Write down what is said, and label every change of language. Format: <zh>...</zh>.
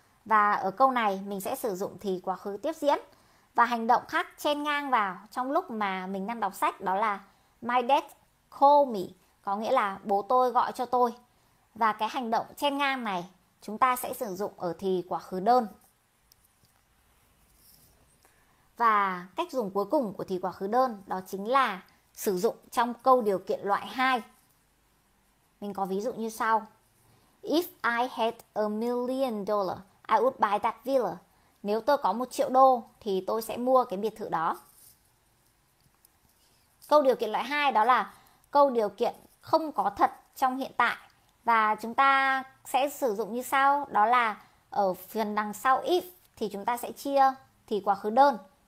<vi>Và ở câu này mình sẽ sử dụng thì quá khứ tiếp diễn. Và hành động khác chen ngang vào trong lúc mà mình đang đọc sách đó là</vi> <en>my dad called me,</en> <vi>có nghĩa là bố tôi gọi cho tôi. Và cái hành động chen ngang này chúng ta sẽ sử dụng ở thì quá khứ đơn. Và cách dùng cuối cùng của thì quá khứ đơn đó chính là sử dụng trong câu điều kiện loại 2. Mình có ví dụ như sau.</vi> <en>If I had a million dollars, I would buy that villa.</en> <vi>Nếu tôi có 1 triệu đô thì tôi sẽ mua cái biệt thự đó. Câu điều kiện loại 2 đó là câu điều kiện không có thật trong hiện tại. Và chúng ta sẽ sử dụng như sau, đó là ở phần đằng sau if thì chúng ta sẽ chia thì quá khứ đơn.</vi>